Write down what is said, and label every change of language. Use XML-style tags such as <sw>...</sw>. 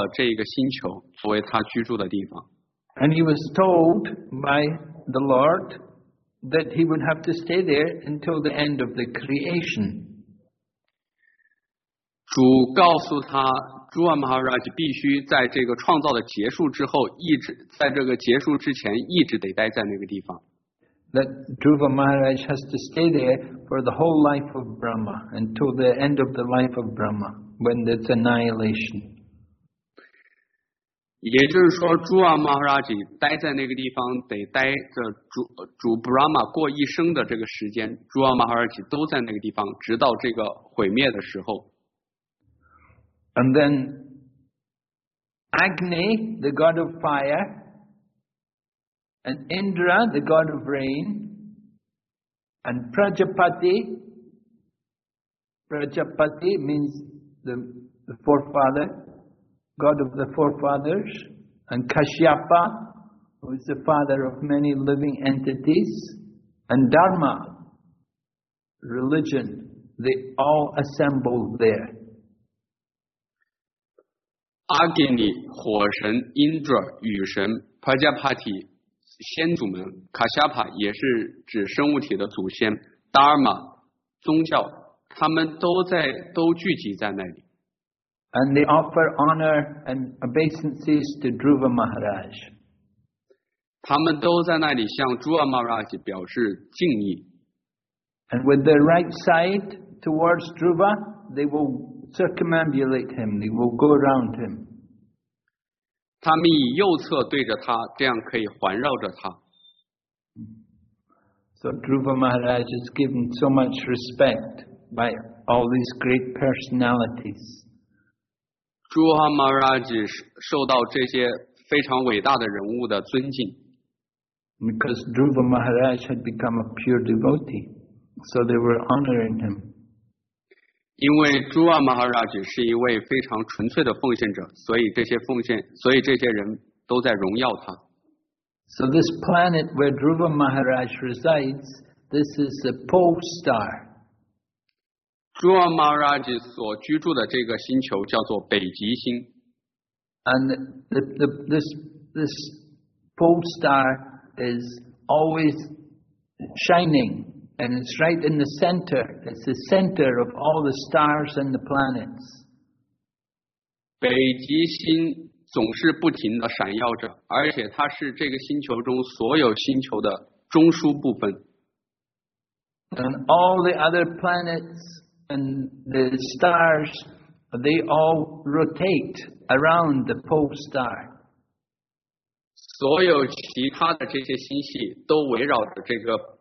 <zh>我们之前知道，朱瓦马哈拉吉，他想得到一个益处，就是他想有一个国王，有一个国家，一个王国。最后，他被得到了这个星球作为他居住的地方。</zh> <en>And he was told by the Lord that he would have to stay there until the end of the creation.</en> <zh>主告诉他，朱阿玛哈拉吉必须在这个创造的结束之后，一直在这个结束之前，一直得待在那个地方。</zh> <en>That Dhruva Maharaj has to stay there for the whole life of Brahma until the end of the life of Brahma when there's annihilation.</en> <zh>也就是说，朱阿玛哈拉吉待在那个地方，得待着主 Brahma 过一生的这个时间，朱阿玛哈拉吉都在那个地方，直到这个毁灭的时候。</zh> <en>And then Agni, the god of fire. And Indra, the god of rain, and Prajapati. Prajapati means the forefather, god of the forefathers, and Kashyapa, who is the father of many living entities, and Dharma, religion, they all assembled there.</en> <zh>Agni, 火神 Indra, 雨神 Prajapati. 先祖们卡夏帕也是指生物体的祖先达尔玛宗教他们都聚集在那里</zh> <en>and they offer honor and obeisances to Dhruva Maharaj</en> <zh>他们都在那里向朱阿玛哈拉吉表示敬意</zh> <en>and with their right side towards Dhruva they will circumambulate him they will go around him</en> <zh>他们以右侧对着他，这样可以环绕着他。</zh> <en>So Dhruva Maharaj is given so much respect by all these great personalities.</en> <zh>Dhruva Maharaj 受到这些非常伟大的人物的尊敬。</zh> <en>Because Dhruva Maharaj had become a pure devotee, so they were honoring him.</en> <zh>因为朱阿玛哈拉吉是一位非常纯粹的奉献者，所以这些奉献，所以这些人都在荣耀他。</zh> <en>So this planet where Dhruva Maharaj resides, this is the pole star.</en> <zh>朱阿玛哈拉吉所居住的这个星球叫做北极星。</zh> <en>And this pole star is always shining. And it's right in the center. It's the center of all the stars and the planets.</en> <zh>北极星总是不停地闪耀着，而且它是这个星球中所有星球的中枢部分。</zh> <en>And all the other planets and the stars, they all rotate around the pole star.</en> <zh>所有其他的这些星系都围绕着这个。</zh>